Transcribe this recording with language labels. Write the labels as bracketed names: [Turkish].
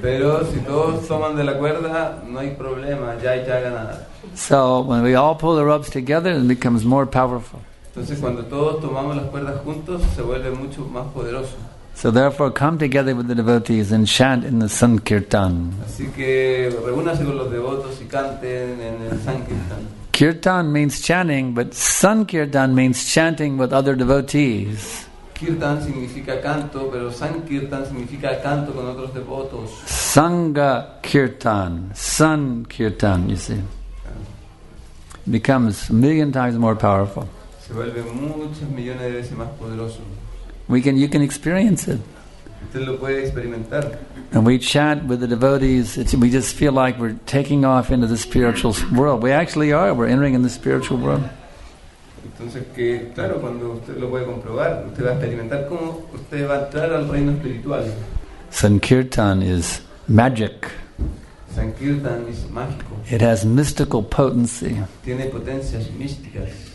[Spanish] Pero si todos toman de la cuerda, no hay problema. [Sanskrit] Jai Jagannath. [English] So when we all pull the ropes together, it becomes more powerful. [Spanish] Entonces cuando todos tomamos las cuerdas juntos, se vuelve mucho más poderoso. [English] So therefore, come together with the devotees and chant in the Sankirtan. [Spanish] Así que reúnase con los devotos y canten en el Sankirtan. [English] Kirtan means chanting, but Sankirtan means chanting with other devotees. [Spanish] Kirtan significa canto, pero Sankirtan significa canto con otros devotos. [English] Sangha Kirtan, Sankirtan, you see. Becomes 1,000,000 times more powerful. [Spanish] Se vuelve muchas millones de veces más poderoso. [English] You can experience it. [Spanish] Usted lo puede experimentar. [English] And we chant with the devotees, we just feel like we're taking off into the spiritual world. We actually are, we're entering in the spiritual world. [Spanish] Entonces, que, claro, cuando usted lo puede comprobar, usted va a experimentar cómo usted va a entrar al reino espiritual. [English] Sankirtan is magic. [Spanish] Sankirtan es mágico. [English] It has mystical potency. [Spanish] Tiene potencias místicas.